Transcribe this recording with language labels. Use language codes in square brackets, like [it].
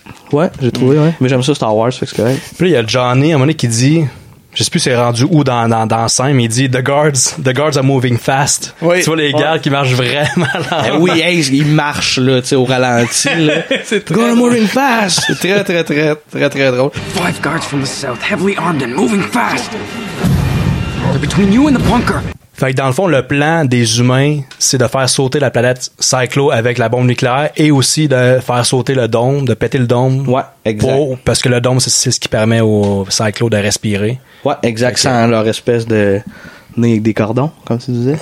[fr] Ouais, j'ai trouvé, ouais. Mais j'aime ça Star Wars, fait que c'est correct. Puis là, il y a Johnny, à un moment donné, qui dit, je sais plus c'est rendu où dans scène, mais il dit, [en] The guards are moving fast. [fr] Oui. Tu vois les gars qui marchent vraiment lentement. Oui, hey, ils marchent, là, tu sais, au ralenti, là. [en] They're moving fast. [fr] C'est très, très, très, très, très drôle. [en] 5 guards from the south, heavily armed and moving fast. They're between you and the bunker. [fr] Fait que dans le fond, le plan des humains, c'est de faire sauter la planète Cyclo avec la bombe nucléaire et aussi de faire sauter le dôme, de péter le dôme. Ouais, exact. Parce que le dôme, c'est ce qui permet au Cyclo de respirer. Ouais, exact. Sans leur espèce Né, avec des cordons, comme tu disais.